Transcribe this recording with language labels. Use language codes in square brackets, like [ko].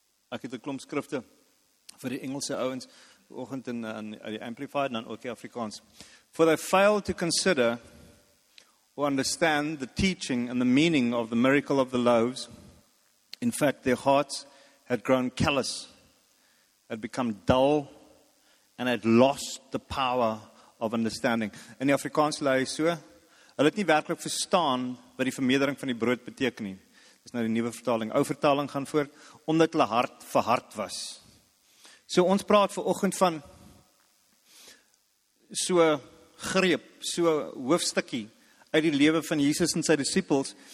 [af] Ek het 'n klomp skrifte vir die Engelse ouens vanoggend in die Amplified en dan ook die Afrikaans. [en] For they failed to consider or understand the teaching and the meaning of the miracle of the loaves. In fact, their hearts had grown callous, had become dull and had lost the power of understanding. [af] In die Afrikaans lê hy so, hulle het nie werklik verstaan wat die vermeerdering van die brood beteken nie. Dis nou die nuwe vertaling. Ou vertaling gaan voort, omdat hulle hart verhard was. So ons praat vanoggend van so greep, so hoofstukkie uit die lewe van Jesus en sy disippels.